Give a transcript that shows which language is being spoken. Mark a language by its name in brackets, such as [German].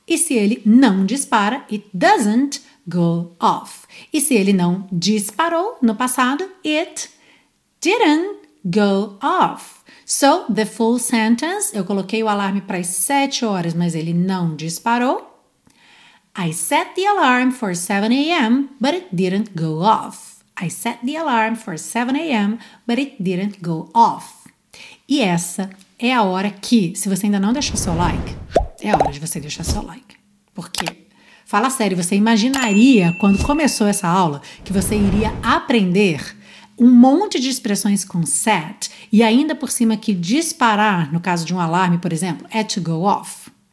[Portuguese] E se ele não dispara, [English] it doesn't go off. [Portuguese] E se ele não disparou no passado, [English] it didn't go off. So, the full sentence, [Portuguese] eu coloquei o alarme para as 7 horas, mas ele não disparou. [English] I set the alarm for 7 a.m., but it didn't go off. I set the alarm for 7 a.m., but it didn't go off. [Portuguese] E essa é a hora que, se você ainda não deixou seu like, é a hora de você deixar seu like. Porque, fala sério, você imaginaria, quando começou essa aula, que você iria aprender um monte de expressões com set e ainda por cima que disparar, no caso de um alarme, por exemplo, é [English] to go off.